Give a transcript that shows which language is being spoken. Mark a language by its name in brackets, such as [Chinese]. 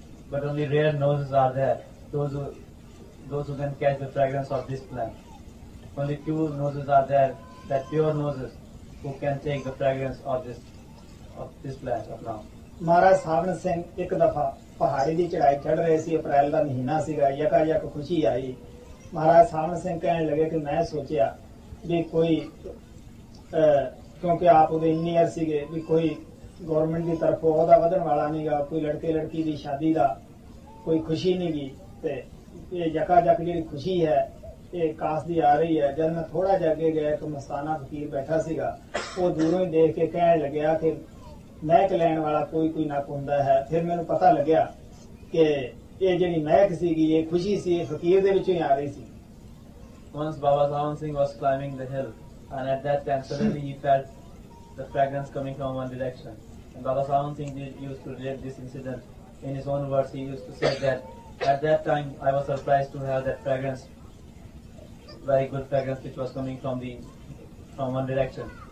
[English] But only rare noses are there, those who can catch the fragrance of this plant. Only few noses are there, that pure noses, who can take the fragrance of this plant of Naam. [Punjabi] ਮਹਾਰਾਜ ਸਾਵਣ ਸਿੰਘ ਇੱਕ ਦਫ਼ਾ ਪਹਾੜੀ ਦੀ ਚੜ੍ਹਾਈ ਚੜ੍ਹ ਰਹੇ ਸੀ। ਅਪ੍ਰੈਲ ਦਾ ਮਹੀਨਾ ਸੀਗਾ, ਯਕਾਯਕ ਖੁਸ਼ੀ ਆਈ। ਮਹਾਰਾਜ ਸਾਵਣ ਸਿੰਘ ਕਹਿਣ ਲੱਗੇ ਕਿ ਮੈਂ ਸੋਚਿਆ ਵੀ ਕੋਈ ਕਿਉਂਕਿ ਆਪ ਉਹਦੇ ਇੰਜੀਨੀਅਰ ਸੀਗੇ ਵੀ ਕੋਈ ਗੌਰਮੈਂਟ ਦੀ ਤਰਫੋਂ ਅਹੁਦਾ ਵਧਣ ਵਾਲਾ ਨੀਗਾ, ਕੋਈ ਲੜਕੇ ਲੜਕੀ ਦੀ ਸ਼ਾਦੀ ਦਾ ਕੋਈ ਖੁਸ਼ੀ ਨੀਗੀ, ਤੇ ਇਹ ਯਕਾਯਕ ਜਿਹੜੀ ਖੁਸ਼ੀ ਹੈ ਇਹ ਕਾਸ ਦੀ ਆ ਰਹੀ ਹੈ। ਜਦ ਮੈਂ ਥੋੜਾ ਜਿਹਾ ਅੱਗੇ ਗਿਆ ਇੱਕ ਮਸਤਾਨਾ ਫਕੀਰ ਬੈਠਾ ਸੀਗਾ, ਉਹ ਦੂਰੋਂ ਹੀ ਦੇਖ ਕੇ ਕਹਿਣ ਲੱਗਿਆ ਕਿ ਮਹਿਕ ਲੈਣ ਵਾਲਾ ਕੋਈ ਕੋਈ ਨੱਕ ਹੁੰਦਾ ਹੈ। ਫਿਰ ਮੈਨੂੰ ਪਤਾ ਲੱਗਿਆ ਕਿ ਇਹ ਜਿਹੜੀ ਮਹਿਕ ਸੀਗੀ ਇਹ ਖੁਸ਼ੀ ਸੀ ਇਹ ਫਕੀਰ ਦੇ ਵਿੱਚੋਂ ਹੀ ਆ ਰਹੀ ਸੀ। [English] And at that time suddenly he felt the fragrance coming from one direction. And Baba Savan Singh used to relate this incident in his own words. He used to say that at that time I was surprised to have that fragrance, very good fragrance, which was coming from one direction.